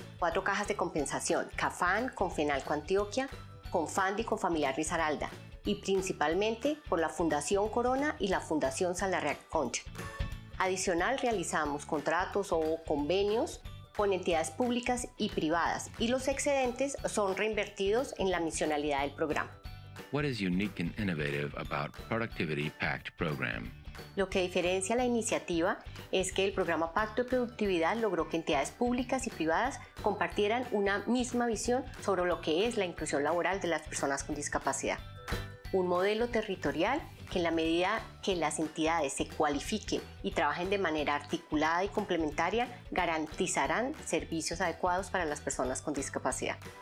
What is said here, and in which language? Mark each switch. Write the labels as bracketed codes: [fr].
[es] Cuatro cajas de compensación, CAFAN, Confenalco Antioquia, Confandi y Confamiliar Risaralda, y principalmente por la Fundación Corona y la Fundación Salarriaga Concha. Adicional, realizamos contratos o convenios con entidades públicas y privadas, y los excedentes son reinvertidos en la misionalidad del programa. [en] What is unique and innovative about Productivity Pact Program? [es] Lo que diferencia la iniciativa es que el programa Pacto de Productividad logró que entidades públicas y privadas compartieran una misma visión sobre lo que es la inclusión laboral de las personas con discapacidad. Un modelo territorial que en la medida que las entidades se cualifiquen y trabajen de manera articulada y complementaria, garantizarán servicios adecuados para las personas con discapacidad.